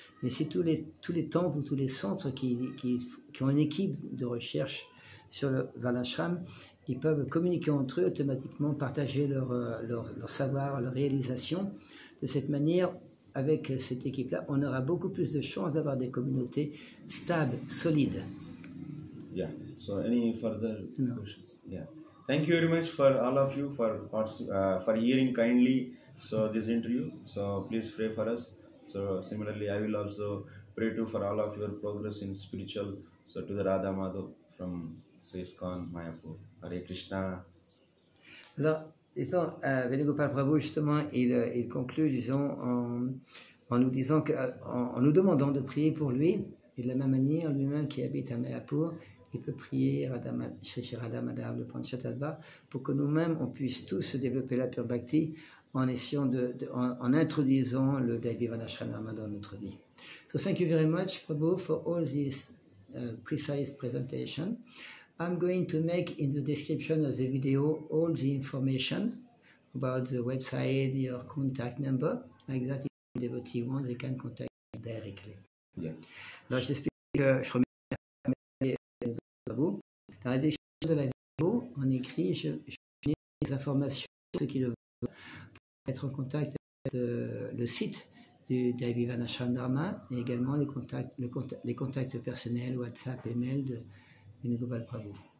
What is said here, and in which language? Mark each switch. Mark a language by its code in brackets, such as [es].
[fr] Mais si tous les temples ou tous les centres qui ont une équipe de recherche sur le Van Ashram, ils peuvent communiquer entre eux automatiquement, partager leur savoir, leur réalisation. De cette manière, avec cette équipe-là, on aura beaucoup plus de chances d'avoir des communautés stables, solides. [en] Yeah, so any further questions? Yeah. Thank you very much for all of you for hearing kindly so this interview. So please pray for us. So similarly, I will also pray too for all of your progress in spiritual. So to the Radha Madhav from ISKCON Mayapur. Hare Krishna. Alors, disons, Venugopal Prabhu, justement, il conclut, disons, en nous demandant de prier pour lui, et de la même manière, lui-même qui habite à Mayapur, il peut prier Shri Radha Madhav, le Panchatattva, pour que nous-mêmes, on puisse tous développer la pure bhakti en essayant en introduisant le Devi Van Ashram Dharma dans notre vie. So, thank you very much, Prabhu, for all this precise presentation. I'm going to make in the description of the video all the information about the website, your contact number, like that. If the devotee wants, they can contact you directly. Yeah. [fr] Alors, j'espère que je remercie à vous. Dans la description de la vidéo, on écrit, je mets les informations pour ceux qui le veulent, pour être en contact avec le site du Vivana Ashram Dharma, et également les contacts personnels, WhatsApp, email de Venu Gopal Prabhu.